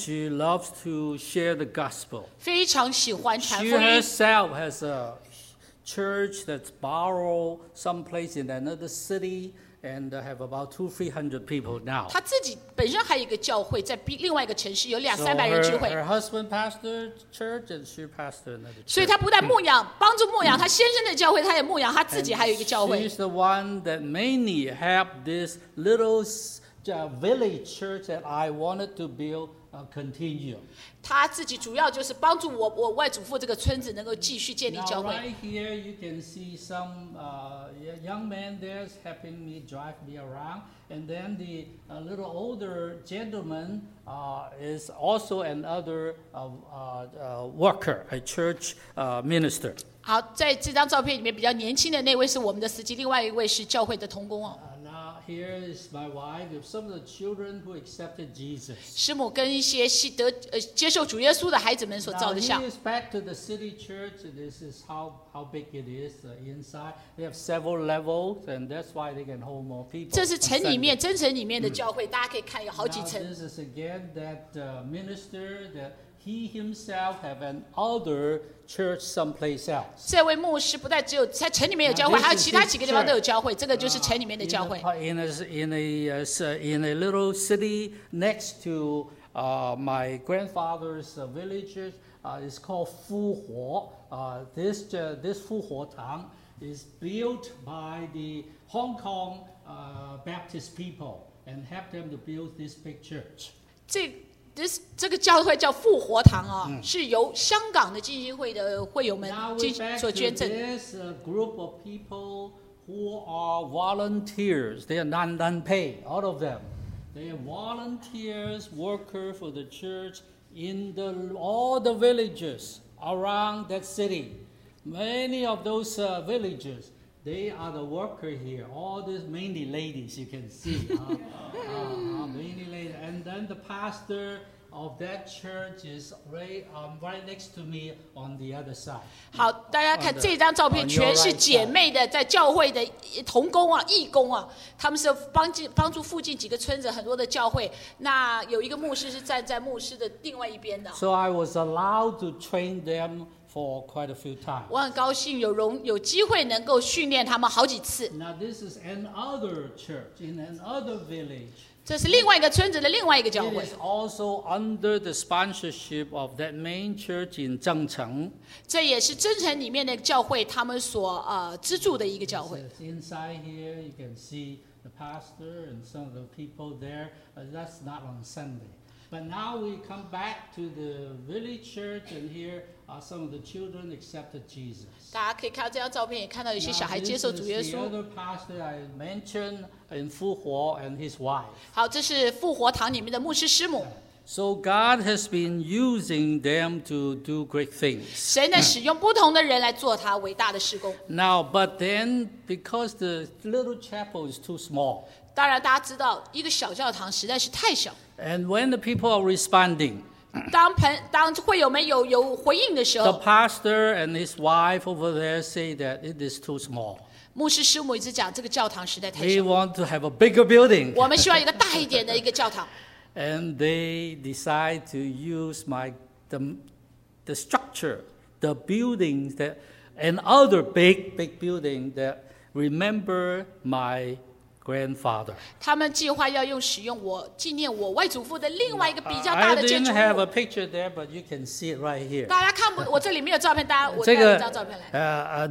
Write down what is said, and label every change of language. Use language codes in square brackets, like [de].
[en] She loves to share the gospel. [zh] 非常喜欢传福音。 [en] She herself has a church that's borrowed someplace in another city. And have about 200-300 people now. [zh] 他自己本身还有一个教会，在另外一个城市有两三百人聚会。 [en] So her husband pastored church, and she pastored another church. [zh] 所以她不但牧养，帮助牧养她先生的教会，她也牧养她自己还有一个教会。 [en] She's the one that mainly helped this little village church that I wanted to build continue. [zh] 她自己主要就是帮助我外祖父这个村子能够继续建立教会。 [en] Now right here you can see some young man there's helping me drive me around, and then the little older gentleman is also another worker, a church minister. [zh] 好，在这张照片里面比较年轻的那位是我们的司机，另外一位是教会的同工哦。 [en] Here is my wife with some of the children who accepted Jesus. [zh] 师母跟一些接受主耶稣的孩子们所照的相。 [en] Now he is back to the city church. This is how big it is inside. They have several levels, and that's why they can hold more people. [zh] 这是城里面真城里面的教会，大家可以看有好几层。 [en] Now this is again that minister that he himself have an other church someplace else. [zh] 这位牧师不但只有在城里面有教会，还有其他几个地方都有教会。这个就是城里面的教会。 [en] In a little city next to my grandfather's village, it's called Fuhuo. This Fuhuo town is built by the Hong Kong Baptist people and helped them to build this big church. [zh] 这个教会叫复活堂啊，是由香港的基金会的会友们所捐赠。 [en] Now we're back to this group of people who are volunteers. They are non-paid, all of them. They are volunteers, workers for the church in all the villages around that city. Many of those villages, they are the workers here. All these mainly ladies, you can see. Mainly ladies. And then the pastor... of that church is right next to me on the other side. [zh] 好，大家看这张照片，全是姐妹的，在教会的同工啊、义工啊，他们是帮助附近几个村子很多的教会。那有一个牧师是站在牧师的另外一边的。 [en] So I was allowed to train them for quite a few times. [zh] 我很高兴有机会能够训练他们好几次。 [en] Now this is another church in another village. [zh] 这是另外一个村子的另外一个教会。 [en] It is also under the sponsorship of that main church in Zhengcheng. [zh] 这也是真诚里面的教会，他们所资助的一个教会。 [en] Inside here, you can see the pastor and some of the people there. That's not on Sunday. But now we come back to the village church, and here are some of the children accepted Jesus. [zh] 大家可以看到这张照片，也看到有些小孩接受主耶稣。 [en] Now, this is the other pastor I mentioned. And 复活 and his wife. [zh] 好，这是复活堂里面的牧师师母。 [en] So God has been using them to do great things. [zh] 神在使用不同的人来做他伟大的事工。 [en] Now, but then because the little chapel is too small. [zh] 当然，大家知道一个小教堂实在是太小。 [en] And when the people are responding. [zh] 当会友们有回应的时候。 [en] The pastor and his wife over there say that it is too small. [zh] 牧师师母一直讲这个教堂实在太小。 [en] We want to have a bigger building. [zh] 我们希望一个大一点的一个教堂。 [en] And they decide to use the structure, the buildings that, and other big building that remember my grandfather. [zh] 他们计划要使用我纪念我外祖父的另外一个比较大的建筑物。 [en] I didn't have a picture there, but you can see it right here. [zh] 大家看不，我这里没有照片，大家我带一张照片来。